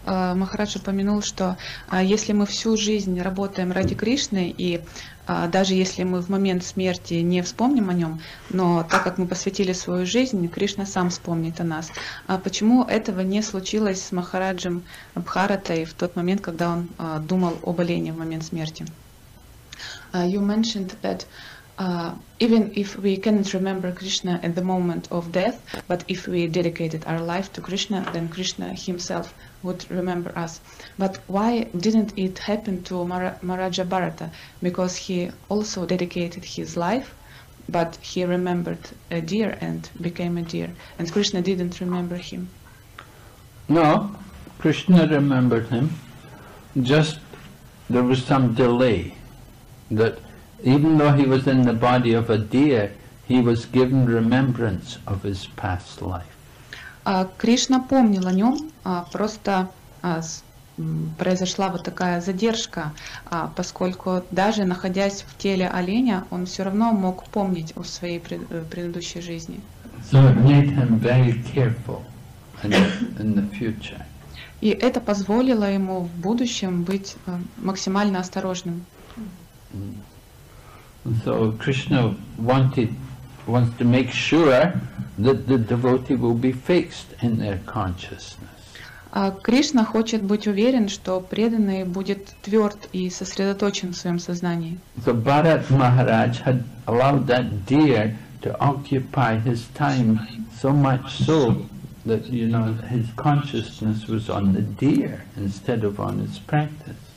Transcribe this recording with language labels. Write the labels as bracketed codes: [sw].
[ru] Махарадж упомянул, что если мы всю жизнь работаем ради Кришны, и даже если мы в момент смерти не вспомним о нем, но так как мы посвятили свою жизнь, Кришна сам вспомнит о нас. А почему этого не случилось с Махараджем Бхаратой в тот момент, когда он думал об олене в момент смерти? [en] You mentioned that even if we cannot remember Krishna at the moment of death, but if we dedicated our life to Krishna, then Krishna himself would remember us. But why didn't it happen to Maharaja Bharata? Because he also dedicated his life, but he remembered a deer and became a deer, and Krishna didn't remember him. No, Krishna remembered him, just there was some delay, that even though he was in the body of a deer, he was given remembrance of his past life. [ru] Кришна помнил о нем, просто произошла вот такая задержка, поскольку даже находясь в теле оленя, он все равно мог помнить о своей предыдущей жизни. [en] So it made him very careful. in the future. [ru] И это позволило ему в будущем быть максимально осторожным. [en] So Krishna wants to make sure that the devotee will be fixed in their consciousness. [ru] А Кришна хочет быть уверен, что преданный будет тверд и сосредоточен в своем сознании. [en] So Bharat Maharaj had allowed that deer to occupy his time so much so that, you know, his consciousness was on the deer instead of on his practice.